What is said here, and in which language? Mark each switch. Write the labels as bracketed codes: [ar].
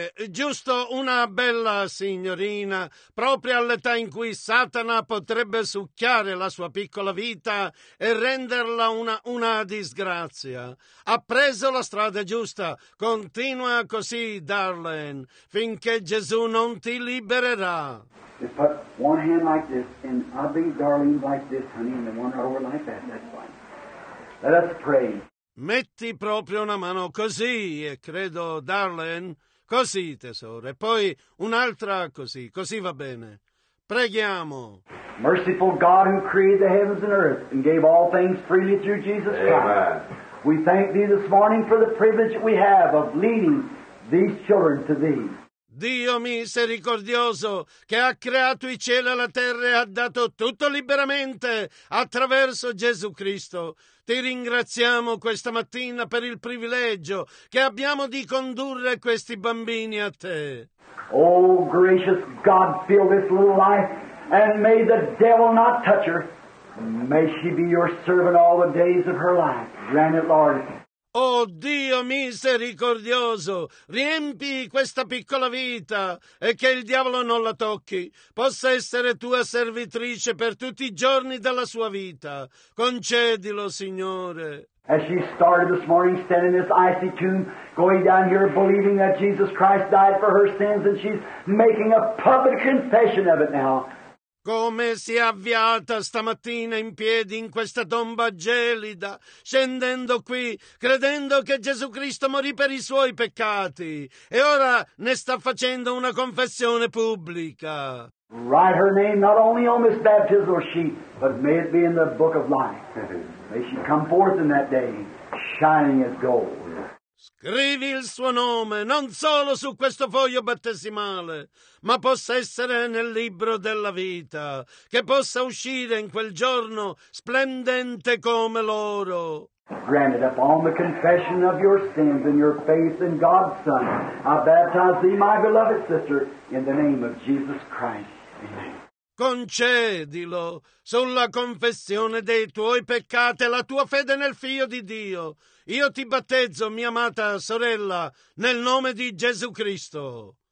[it] Giusto una bella signorina, proprio all'età in cui Satana potrebbe succhiare la sua piccola vita e renderla una disgrazia. Ha preso la strada giusta, continua così, darling, finché Gesù non ti libererà. [en] If put one hand like this, and I'll be darling like this, honey, and one over like that, that's fine. Let us pray. [it] Metti proprio una mano così, e credo, darling, così, tesoro, e poi un'altra così, così va bene. Preghiamo. [en] Merciful God who created the heavens and earth and gave all things freely through Jesus Christ. Amen. We thank thee this morning for the privilege we have of leading these children to thee. [it] Dio misericordioso, che ha creato i cieli e la terra e ha dato tutto liberamente attraverso Gesù Cristo, ti ringraziamo questa mattina per il privilegio che abbiamo di condurre questi bambini a te. [en] Oh, gracious God, fill this little life and may the devil not touch her. May she be your servant all the days of her life. Grant it, Lord. [it] Oh Dio misericordioso, riempi questa piccola vita e che il diavolo non la tocchi. Possa essere tua servitrice per tutti i giorni della sua vita. Concedilo, Signore. [en] as she started this morning, standing in this icy tomb, going down here believing that Jesus Christ died for her sins, and she's making a public confession of it now. [it] Come si è avviata stamattina in piedi in questa tomba gelida, scendendo qui, credendo che Gesù Cristo morì per i suoi peccati, e ora ne sta facendo una confessione pubblica. [en] Write her name not only on this baptismal sheet, but may it be in the book of life. May she come forth in that day, shining as gold. [it] Scrivi il suo nome non solo su questo foglio battesimale, ma possa essere nel libro della vita, che possa uscire in quel giorno splendente come l'oro. [en] Granted, upon the confession of your sins and your faith in God's Son, I baptize thee, my beloved sister, in the name of Jesus Christ. [it] Concedilo sulla confessione dei tuoi peccati e la tua fede nel Figlio di Dio. Io ti battezzo, mia amata sorella, nel nome di Gesù Cristo.